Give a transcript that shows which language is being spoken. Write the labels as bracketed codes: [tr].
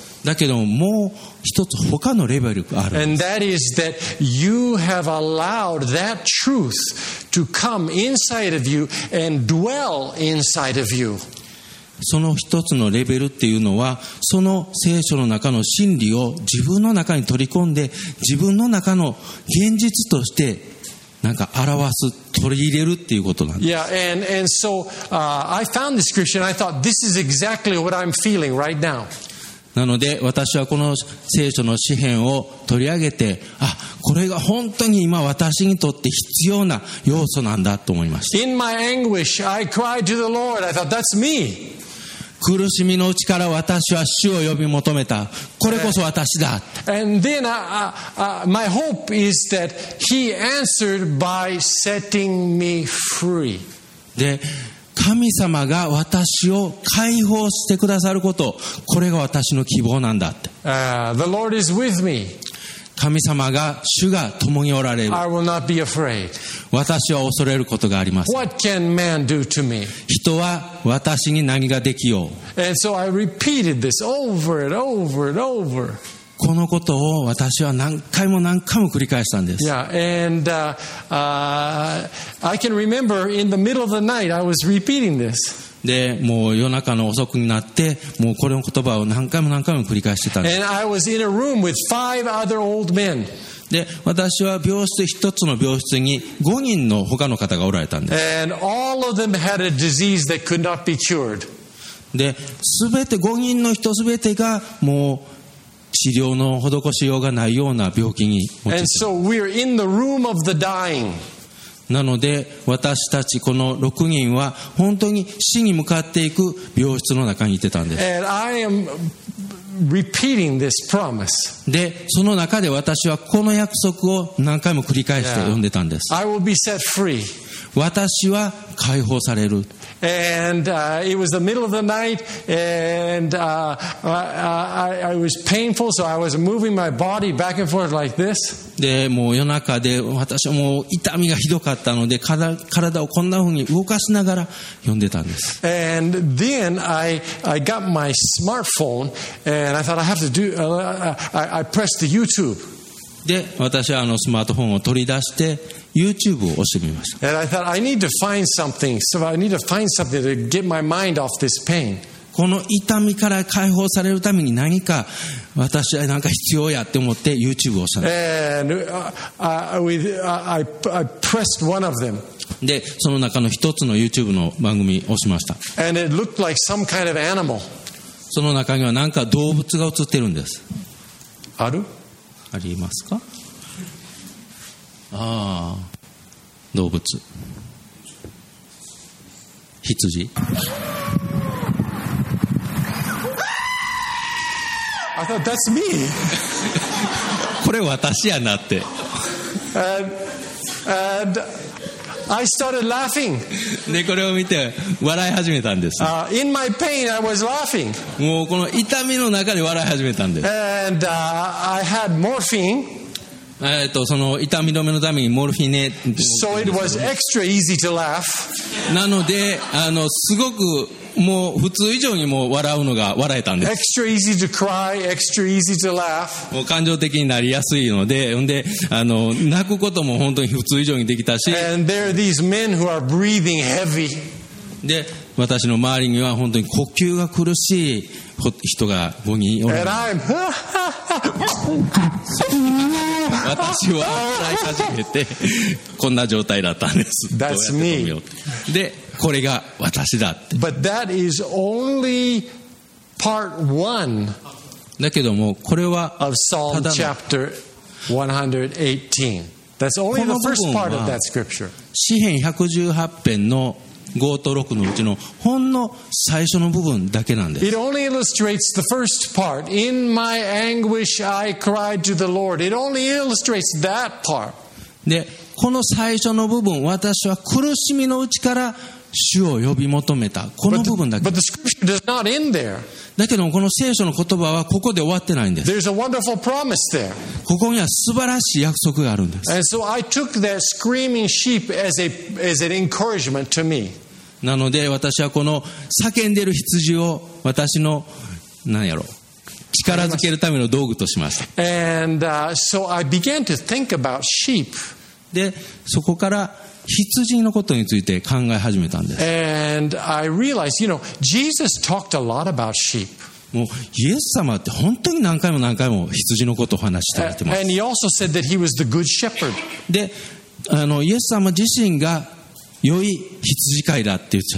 [ja] だけども、もう一つ他のレベルがあるんです。 [en] And that is that you have allowed that truth to come inside of you and dwell inside of you. [ja] その一つのレベルっていうのはその聖書の中の真理を自分の中に取り込んで自分の中の現実としてなんか表す取り入れるっていうことなんです。 [en] Yeah, and so, I found this scripture and I thought this is exactly what I'm feeling right now. [ja] なので私はこの聖書の詩編を取り上げてあこれが本当に今私にとって必要な要素なんだと思いました。 [en] In my anguish I cried to the Lord. I thought that's me. [ja] 苦しみのうちから私は主を呼び求めた。これこそ私だ。 [en] And then my hope is that he answered by setting me free. [ja] で、神様が私を解放してくださること、これが私の希望なんだって。 [en] The Lord is with me. [ja] 神様が主が共におられる。 [en] I will not be afraid. [ja] 私は恐れることがあります。 [en] What can man do to me? [ja] 人は私に何ができよう。 [en] And so I repeated this over and over and over. [ja] このことを私は何回も何回も繰り返したんです。 [en] Yeah, and I can remember in the middle of the night I was repeating this. [ja] で、もう夜中の遅くになって、もうこれの言葉を何回も何回も繰り返してたんです。 [en] And I was in a room with 5 other old men. [ja] で私は病室一つの病室に5人の他の方がおられたんです。 [en] And all of them had a disease that could not be cured. [ja] で全て5人の人全てがもう治療の施しようがないような病気に陥って [en] And so we're in the room of the dying. [ja] なので私たちこの6人は本当に死に向かっていく病室の中にいてたんです。 [en] And I amrepeating this promise. [ja] で、その中で私はこの約束を何回も繰り返して読んでたんです。 [en] I will be set free. [ja] 私は解放される。 [en] And it was the middle of the night and I was painful so I was moving my body back and forth like this. [ja] で、もう夜中で私はもう痛みがひどかったので体をこんな風に動かしながら読んでたんです。 [en] And then I got my smartphone and I thought I have to do I pressed the YouTube. [ja] で、私はスマートフォンを取り出してYouTube を押してみました。 [en] And I thought, I need to find something. So I need to find something to get my mind off this pain. [ja] この痛みから解放されるために何か私は何か必要やって思って YouTube を押したんです。 [en] And I pressed one of them. [ja] で、その中の一つの YouTube の番組を押しました。 [en] And it looked like some kind of animal. [ja] その中には何か動物が映ってるんです。ある？ありますか？ああ動物羊 [en] I thought, that's me. [ja] これ私やなって。 [en] And I started laughing. [ja] でこれを見て笑い始めたんです。 [en] In my pain, I was laughing. [ja] もうこの痛みの中で笑い始めたんです。 [en] And I had morphine. [ja] その痛み止めのためにモルフィネ、 [en] so it was extra easy to laugh. [ja] なのですごくもう普通以上にもう笑うのが笑えたんです。 [en] Extra easy to cry, extra easy to laugh. [ja] もう感情的になりやすいので、泣くことも本当に普通以上にできたし。 [en] And there are these men who are breathing heavy. [ja] で私の周りには本当に呼吸が苦しい人が5人おられます。私は笑い始めてこんな状態だったんです。 [en] That's me. [ja] で、これが私だって。 [en] But that is only part one. [ja] だけどもこれは [en] of Psalm chapter 118. That's only the first part of that scripture. [ja] 詩篇118編の5と6のうちのほんの最初の部分だけなんです。 [en] It only illustrates the first part. In my anguish, I cried to the Lord. It only illustrates that part. [ja] で、この最初の部分、私は苦しみのうちから主を呼び求めた。この部分だけ。 [en] But the scripture does not end there. [ja] だけどこの聖書の言葉はここで終わってないんです。 [en] There's a wonderful promise there. [ja] ここには素晴らしい約束があるんです。 [en] And so I took that screaming sheep as an encouragement to me. [ja] なので私はこの叫んでる羊を私の何やろ力づけるための道具としました。 [en] And so I began to think about sheep. [ja] でそこから羊のことについて考え始めたんです。 [en] And I realized, you know, Jesus talked a lot about sheep. [ja] もうイエス様って本当に何回も何回も羊のことを話されてます。 [en] And he also said that he was the good shepherd. [ja] で、イエス様自身が良い羊飼いだって言って